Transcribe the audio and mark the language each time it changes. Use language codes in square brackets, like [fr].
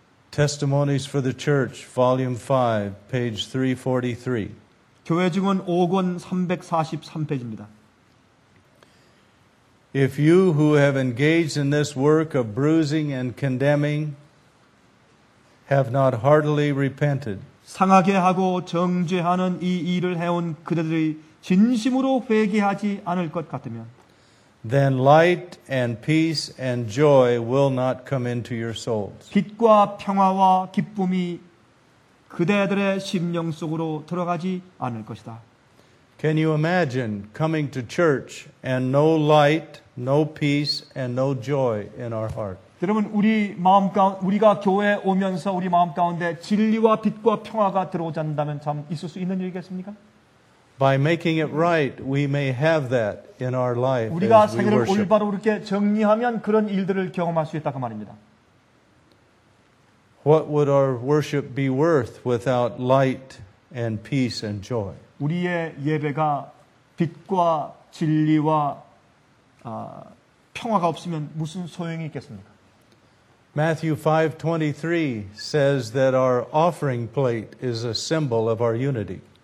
[en] Testimonies for the Church, Volume 5, page 343. [ko] 교회 증언 5권 343페이지입니다. [en] If you who have engaged in this work of bruising and condemning have not heartily repented. [ko] 상하게 하고 정죄하는 이 일을 해온 그대들이 진심으로 회개하지 않을 것 같으면, [en] then light and peace and joy will not come into your souls. [ko] 빛과 평화와 기쁨이 그대들의 심령 속으로 들어가지 않을 것이다. [en] Can you imagine coming to church and no light, no peace, and no joy in our heart? [ko] 여러분, 우리 마음 가운데 우리가 교회 오면서 우리 마음 가운데 진리와 빛과 평화가 들어오지 않는다면 참 있을 수 있는 일이겠습니까? [en] By making it right, we may have that in our life. [ko] 우리가 세계를 올바로 이렇게 정리하면 그런 일들을 경험할 수 있다 그 말입니다. [en] What would our worship be worth without light and peace and joy? [ko] 우리의 예배가 빛과 진리와 평화가 없으면 무슨 소용이 있겠습니까? [en] Matthew 5:23 says that our offering plate is a symbol of our unity.